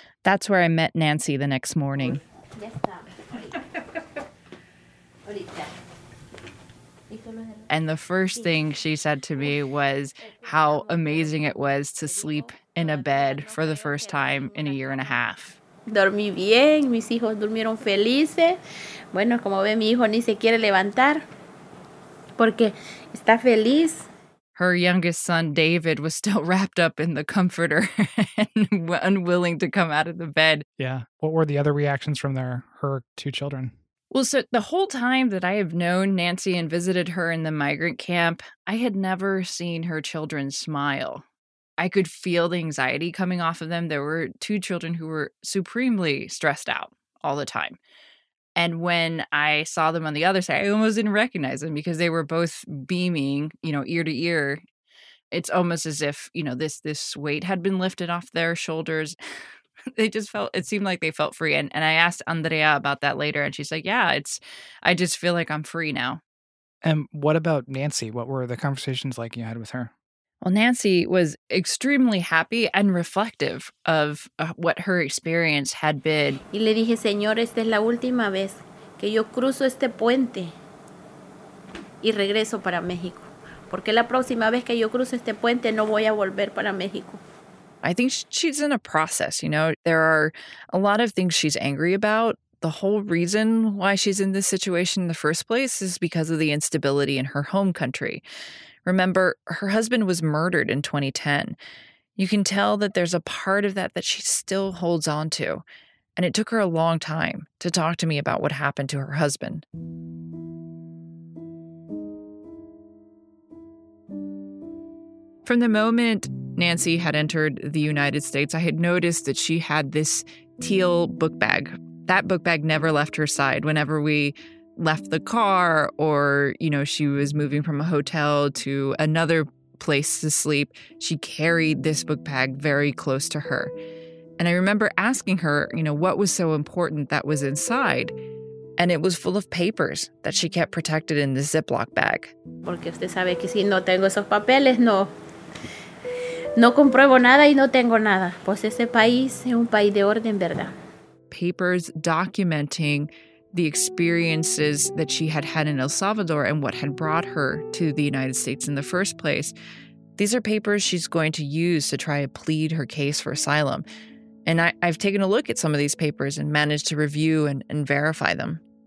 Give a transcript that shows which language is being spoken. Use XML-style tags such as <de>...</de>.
<en>That's where I met Nancy the next morning. And the first thing she said to me was how amazing it was to sleep in a bed for the first time in a year and a half.</en> <es>Dormí bien, mis hijos durmieron felices. Bueno, como ve, mi hijo ni se quiere levantar porque está feliz.</es> <en>Her youngest son, David, was still wrapped up in the comforter and unwilling to come out of the bed. Yeah. What were the other reactions from her two children? Well, so the whole time that I have known Nancy and visited her in the migrant camp, I had never seen her children smile. I could feel the anxiety coming off of them. There were two children who were supremely stressed out all the time. And when I saw them on the other side, I almost didn't recognize them because they were both beaming, you know, ear to ear. It's almost as if, you know, this weight had been lifted off their shoulders. It seemed like they felt free. And I asked Andrea about that later, and she's like, yeah, I just feel like I'm free now. And what about Nancy? What were the conversations like you had with her? Well, Nancy was extremely happy and reflective of what her experience had been.</en> <es>Y le dije, Señor, esta es la última vez que yo cruzo este puente y regreso para México. Porque la próxima vez que yo cruzo este puente no voy a volver para México.</es> <en>I think she's in a process, you know. There are a lot of things she's angry about. The whole reason why she's in this situation in the first place is because of the instability in her home country. Remember, her husband was murdered in 2010. You can tell that there's a part of that she still holds on to. And it took her a long time to talk to me about what happened to her husband. From the moment Nancy had entered the United States, I had noticed that she had this teal book bag that book bag never left her side. Whenever we left the car or, you know, she was moving from a hotel to another place to sleep, she carried this book bag very close to her. And I remember asking her, you know, what was so important that was inside. And it was full of papers that she kept protected in the Ziploc bag.</en> <es>Porque usted sabe que si no tengo esos papeles, no. No compruebo nada y no tengo nada. Pues ese país es un país de orden, ¿verdad?</es> <en>Papers documenting the experiences that she had had in El Salvador and what had brought her to the United States in the first place. These are papers she's going to use to try to plead her case for asylum. And I've taken a look at some of these papers and managed to review and verify them.</en>